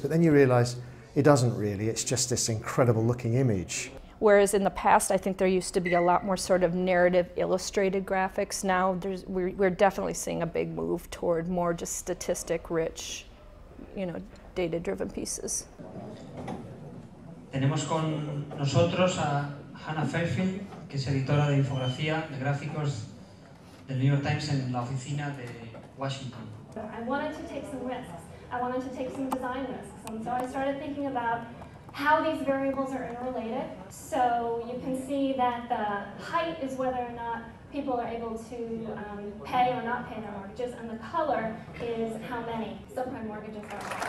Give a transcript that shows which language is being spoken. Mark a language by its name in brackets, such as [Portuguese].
[English] But then you realize it doesn't really. It's just this incredible looking image. Whereas in the past, I think there used to be a lot more sort of narrative illustrated graphics. Now we're definitely seeing a big move toward more just statistic rich, you know, data driven pieces. [Spanish] Tenemos con nosotros a Hannah Fairfield, que es editora de infografía de gráficos del New York Times en la oficina de Washington. [English] I wanted to take some risks. I wanted to take some design risks. And so I started thinking about how these variables are interrelated. So you can see that the height is whether or not people are able to pay or not pay their mortgages, and the color is how many subprime mortgages are.